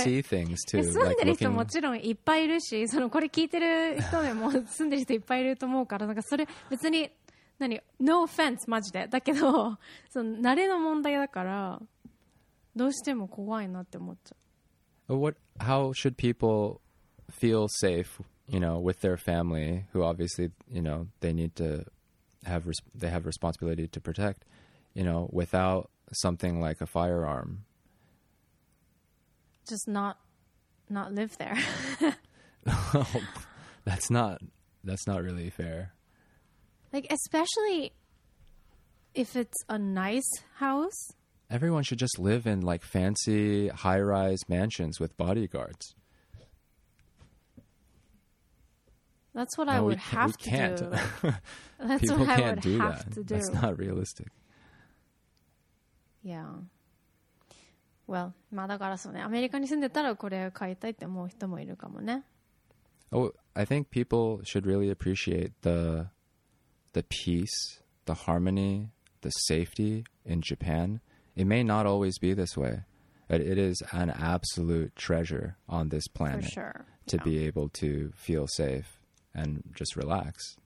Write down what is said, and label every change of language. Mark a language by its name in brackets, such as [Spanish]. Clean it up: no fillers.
[English] kind of too, [Japanese] 住んでる人もちろんいっぱいいるし、そのこれ聞いてる人でも住んでる人いっぱいいると思うから、なんかそれ別に何 [English] No offense [Japanese] マジでだけど、その慣れの問題だからどうしても怖いなって思っちゃう。 [English] What, How should people feel safe, you know, with their family who obviously, you know, they need to have they have responsibility to protect, you know, withoutsomething like a firearm, just not live there. that's not really fair, like especially if it's a nice house. Everyone should just live in like fancy high-rise mansions with bodyguards. That's what, no, I would have to can't. Do that's people what can't I would do have that to do. That's not realistic Yeah. [Japanese] Well, まあだからそうね、アメリカに住んでたらこれ買いたいって思う人もいるかもね。 [English] Oh, I think people should really appreciate the peace, the harmony, the safety in Japan. It may not always be this way, but it is an absolute treasure on this planet. For sure. To be able to feel safe and just relax.